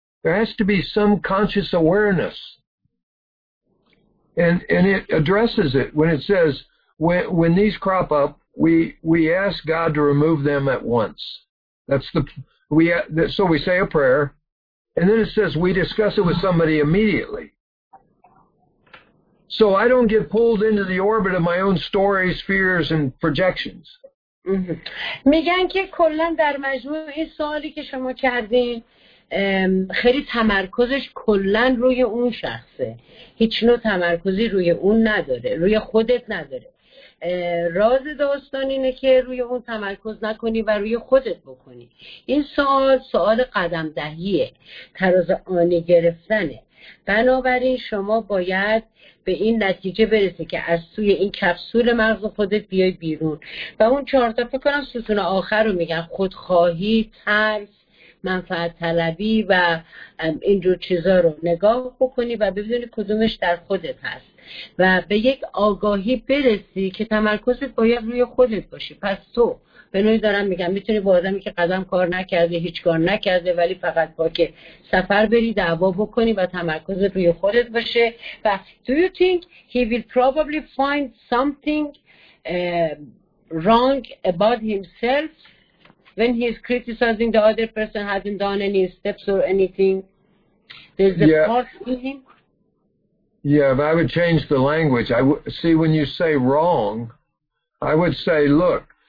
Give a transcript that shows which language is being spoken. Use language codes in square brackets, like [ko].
[en] There has to be some conscious awareness. And it addresses it when it says, when these crop up, We ask God to remove them at once. So we say a prayer, and then it says we discuss it with somebody immediately. So I don't get pulled into the orbit of my own stories, fears, and projections. [fa] میگن که کلن در مجموع این سوالی که شما کردین خیلی تمرکزش کلن روی اون شخصه. هیچ نوع تمرکزی روی اون نداره، روی خودت نداره. راز داستان اینه که روی اون تمرکز نکنی و روی خودت بکنی. این سوال قدم دهیه، تراز آنی گرفتنه. بنابراین شما باید به این نتیجه برسی که از سوی این کپسول مغز خودت بیای بیرون و اون چهارتا فکر کنم ستون آخر رو میگن، خودخواهی، ترس، منفعت طلبی و اینجور چیزا رو نگاه بکنی و ببینی کدومش در خودت هست و به یک آگاهی برسی که تمرکزت باید روی خودت باشی. پس تو به نوعی دارم میگم میتونی با آدمی که قدم کار نکرده، هیچ کار نکرده ولی فقط با که سفر بری دعوا بکنی و تمرکزت روی خودت باشه. و [en] do you think he will probably find something wrong about himself when he is criticizing the other person hasn't done any steps or anything? There's a part in him. Yeah, but I would change the language. I see when you say wrong, I would say, look,